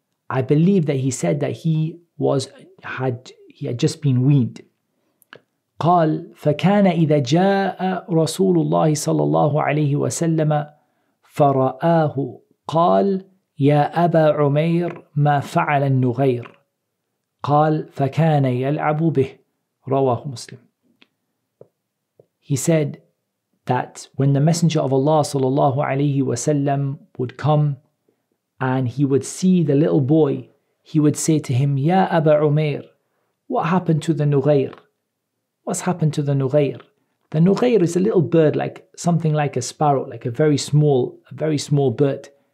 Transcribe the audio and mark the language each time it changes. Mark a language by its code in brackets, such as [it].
[en] I believe that he said that he had just been weaned. [ar] قال فكان إذا جاء رسول الله صلى الله عليه وسلم فرآه قال يا أبا عمير ما فعل النغير قال فكان يلعب به رواه مسلم. [en] He said that when the messenger of Allah [ar] sallallahu alayhi wa sallam [en] would come and he would see the little boy, he would say to him, Ya Aba Umair, what happened to the Nughayr? What's happened to the Nughayr? The Nughayr is a little bird, like something like a sparrow, like a very small bird.